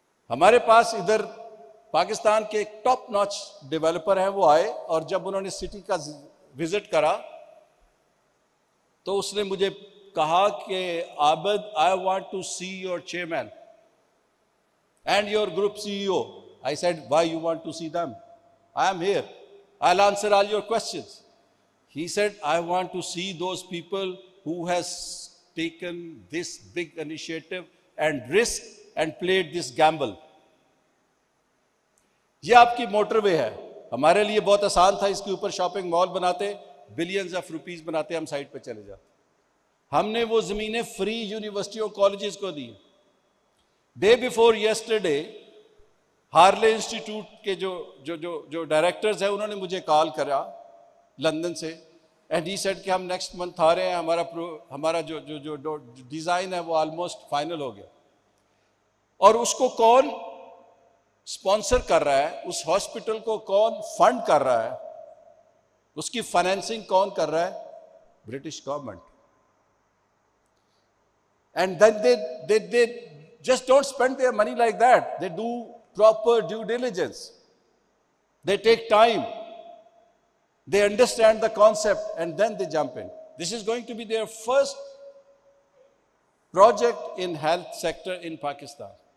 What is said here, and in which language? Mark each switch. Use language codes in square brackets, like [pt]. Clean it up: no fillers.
[ur] ہمارے پاس ادھر پاکستان کے ایک ٹاپ ناچ ڈیولپر ہیں, وہ آئے اور جب انہوں نے سٹی کا وزٹ کرا تو اس نے مجھے کہا کہ عابد, [en] I want to see your chairman and your group C E O. I said why you want to see them, I am here, I will answer all your questions. He said, I want to see those people who has taken this big initiative and risk and played this gamble. [ur] یہ آپ کی motor وے ہے. ہمارے لیے بہت آسان تھا اس کے اوپر شاپنگ مال بناتے, بلینز آف روپیز بناتے, ہم سائٹ پہ چلے جاتے. ہم نے وہ زمینیں فری یونیورسٹی اور کالجز کو دی. [en] day before yesterday [ur] Harley institute کے جو ڈائریکٹرز ہیں انہوں نے مجھے کال کرا لندن سے, [en] and he said [ur] کہ ہم نیکسٹ منتھ آ رہے ہیں, ہمارا جو ڈیزائن ہے وہ آلموسٹ فائنل ہو گیا. اور اس کو کون اسپانسر کر رہا ہے, اس ہاسپٹل کو کون فنڈ کر رہا ہے, اس کی فائنینسنگ کون کر رہا ہے؟ British government. [en] And then they just don't spend their money like that, they do proper due diligence, they take time, they understand the concept and then they jump in. This is going to be their first project in health sector in Pakistan.